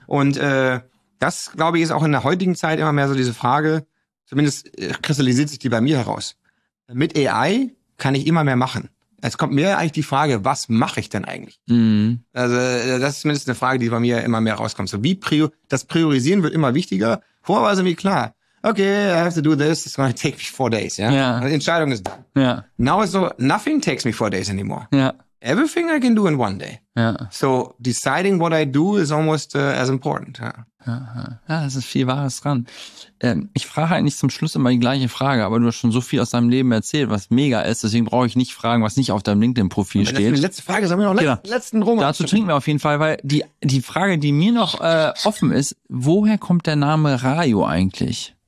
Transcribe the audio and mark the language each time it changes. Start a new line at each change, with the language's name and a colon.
German: Und das, glaube ich, ist auch in der heutigen Zeit immer mehr so diese Frage, zumindest kristallisiert sich die bei mir heraus. Mit AI kann ich immer mehr machen. Es kommt mir eigentlich die Frage, was mache ich denn eigentlich? Mhm. Also das ist zumindest eine Frage, die bei mir immer mehr rauskommt. So, das Priorisieren wird immer wichtiger. Vorher war es irgendwie klar.
English: Okay, I have to do this. It's gonna take me 4 days. Ja. Yeah?
German: Yeah. Entscheidung ist. Ja. Yeah.
English: Now it's so, nothing takes me 4 days anymore. Ja. Yeah. Everything I can do in one day. Ja. Yeah. So deciding what I do is almost as important. Ja.
German: Ja, es ist viel Wahres dran. Ich frage eigentlich zum Schluss immer die gleiche Frage, aber du hast schon so viel aus deinem Leben erzählt, was mega ist. Deswegen brauche ich nicht fragen, was nicht auf deinem LinkedIn-Profil steht. Die letzte Frage, sagen wir noch letzten Roman. Dazu trinken wir auf jeden Fall, weil die Frage, die mir noch offen ist, woher kommt der Name Rajo eigentlich?